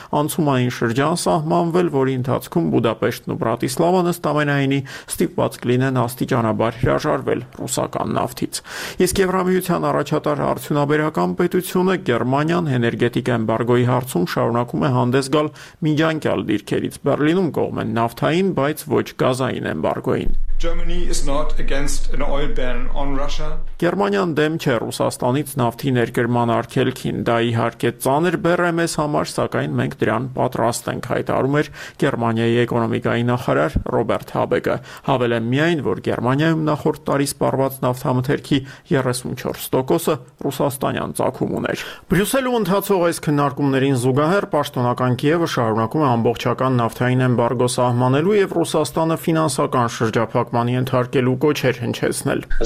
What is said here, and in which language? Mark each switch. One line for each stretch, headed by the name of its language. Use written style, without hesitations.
Armenian: անցումային շրջան սահմանվել, որի ընթացքում Բուդապեշտն ու Բրատիսլավան ըստ ամենայնի ստիպված կլինեն աստիճանաբար հրաժարվել ռուսական նավթից։ Իսկ Եվրամիության առաջատար արդյունաբերական պետությունը Գերմանիան էներգետիկ էմբարգոյի հարցում շարունակում է հանդես գալ միջանկյալ դիրքերից։ Բեռլինում կողմ են նավթային, բայց ոչ գազային էմբարգոյին։
English: Germany is not against an oil ban on Russia.
Armenian: Գերմանիան դեմ չէ Ռուսաստանից նավթի ներգրման արգելքին, դա իհարկե ծանր բեռ է մեզ համար, սակայն մենք դրան պատրաստ ենք, հայտարարում էր Գերմանիայի էկոնոմիկայի նախարար Ռոբերտ Հաբեգը։ Հավել է միայն, որ Գերմանիայում նախորդ տարի սպառված նավթամթերքի 34%-ը ռուսաստանյան ծագում ուներ։ Բրյուսելում ընթացող այս քննարկումներին զուգահեռ պաշտոնական Կիևը շարունակում է ամբողջական նավթային էմբարգո սահմանելու և Ռուսաստանը ֆինանսական շրջապատում փակմանի ընթարկելու կոչեր հնչեցնել։